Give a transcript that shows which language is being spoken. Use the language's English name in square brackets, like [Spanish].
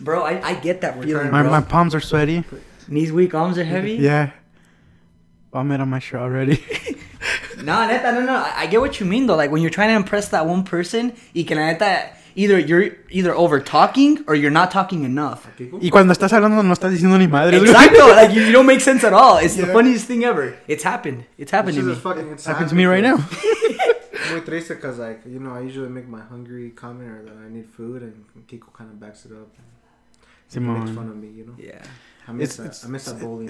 [English] Bro, I get that feeling. My palms are sweaty. Knees weak, arms are heavy. Yeah. Vomit on my shirt already. No, I get what you mean though. Like when you're trying to impress that one person, [Spanish] y que la neta, [English] either you're over talking or you're not talking enough. [Spanish] Y cuando estás hablando no estás diciendo ni madre. Exacto. [English] Like you don't make sense at all. It's the funniest thing ever. It's happened. It's happened to me. It's happened to me right now. I'm with Teresa because, like, you know, I usually make my hungry comment or that I need food, and Kiko kind of backs it up. And makes fun of me, you know? Yeah. I miss that bullying.